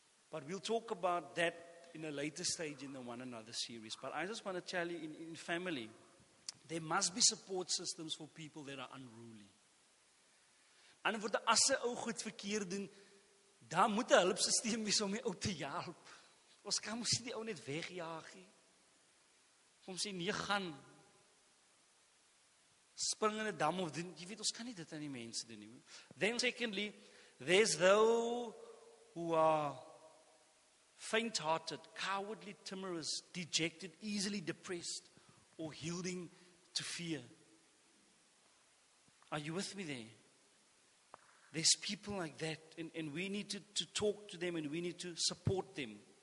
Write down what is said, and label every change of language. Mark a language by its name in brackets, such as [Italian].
[English] But we'll talk about that in a later stage in the One Another series. But I just want to tell you, in family, there must be support systems for people that are unruly. [Afrikaans] En vir die asse ou goed verkeerd doen, daar moet 'n hulpsisteem wees om die ou te help. Ons kan mos nie die ou net wegjaag nie. Kom sê nee gaan. Spring in 'n dam of doen, jy weet ons kan nie dit aan die mense doen nie. [English] Then secondly, there's those who are faint-hearted, cowardly, timorous, dejected, easily depressed or yielding to fear. Are you with me there? There's people like that, and we need to talk to them and we need to support them.